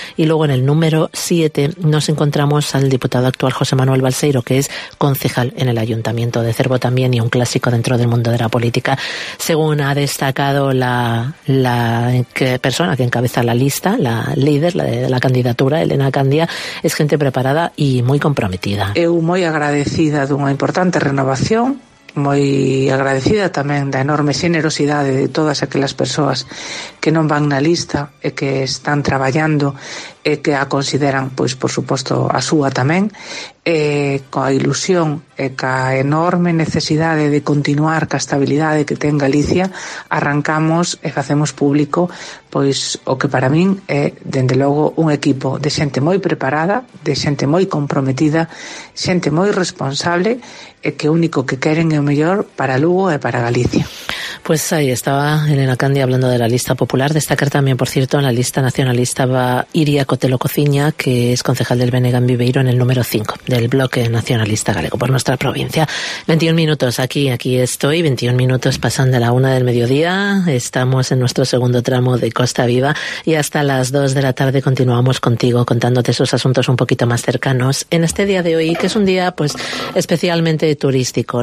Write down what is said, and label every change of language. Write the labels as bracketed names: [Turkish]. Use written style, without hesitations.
[Spanish] Y luego en el número 7 nos encontramos al diputado actual José Manuel Balseiro, que es concejal en el Ayuntamiento de Cervo también y un clásico dentro del mundo de la política. Según ha destacado la persona que encabeza la lista, la líder, la candidatura, Elena Candia, es gente preparada y muy comprometida. [Galician] Eu moi agradecida dunha importante renovación moi agradecida tamén da enorme xenerosidade de todas aquelas persoas que non van na lista e que están traballando e que a consideran, pois, por suposto, a súa tamén, e coa ilusión e ca enorme necesidade de continuar ca estabilidade que ten Galicia, arrancamos e facemos público, pois, o que para min é, dende logo, un equipo de xente moi preparada, de xente moi comprometida, xente moi responsable, e que único que queren é o mellor para Lugo e para Galicia. [Spanish] Pues aí estaba Elena Candia hablando de la Lista Popular. Destacar tamén, por cierto, en la Lista Nacionalista va Iria Cotelo Cociña, que es concejal del BNG en Viveiro, en el número 5 del Bloque Nacionalista Galego por nuestra provincia. 21 minutos, aquí estoy, 21 minutos pasan de la 1 del mediodía, estamos en nuestro segundo tramo de Costa Viva y hasta las 2 de la tarde continuamos contigo contándote esos asuntos un poquito más cercanos en este día de hoy, que es un día pues especialmente turístico.